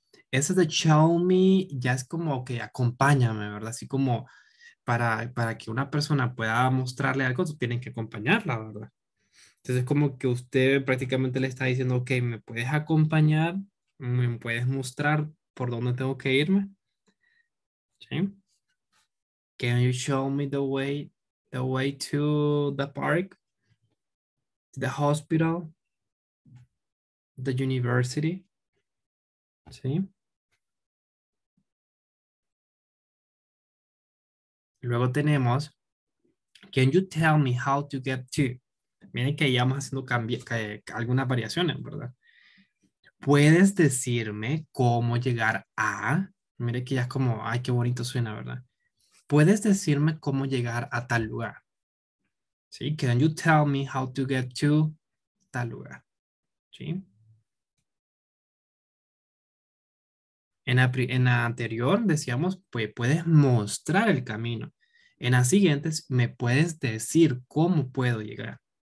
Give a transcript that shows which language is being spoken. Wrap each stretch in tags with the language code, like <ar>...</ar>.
<es>Ese de show me ya es como que okay, acompáñame, ¿verdad? Así como para que una persona pueda mostrarle algo, tú tienes que acompañarla, ¿verdad? Entonces es como que usted prácticamente le está diciendo, ok, ¿me puedes acompañar? ¿Me puedes mostrar por dónde tengo que irme? ¿Sí?</es> <en>Can you show me the way to the park? The hospital? The university? ¿Sí?</en> <es>Luego tenemos,</es> <en>Can you tell me how to get to?</en> <es>Miren que ya vamos haciendo algunas variaciones, ¿verdad? ¿Puedes decirme cómo llegar a? Miren que ya es como, ay, qué bonito suena, ¿verdad? ¿Puedes decirme cómo llegar a tal lugar? ¿Sí?</es> <en>Can you tell me how to get to</en> <es>tal lugar? ¿Sí? En la anterior decíamos, pues puedes mostrar el camino. En las siguientes, me puedes decir cómo puedo llegar.</es>